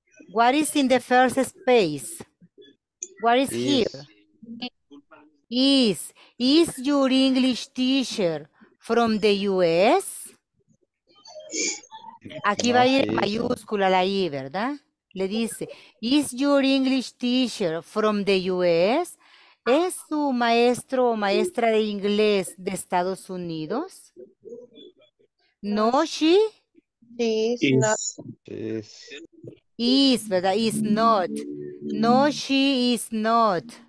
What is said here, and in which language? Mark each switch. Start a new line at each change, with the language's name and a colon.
English: What is in the first space? What is here? Is your English teacher from the US?
Spanish: Aquí va a ir mayúscula la I, ¿verdad? Le dice,
English: is your English teacher from the US?
Spanish: ¿Es su maestro o maestra de inglés de Estados Unidos?
English: No, she? Is not. Is,
Spanish: ¿verdad?
English: Is not. No, she is not.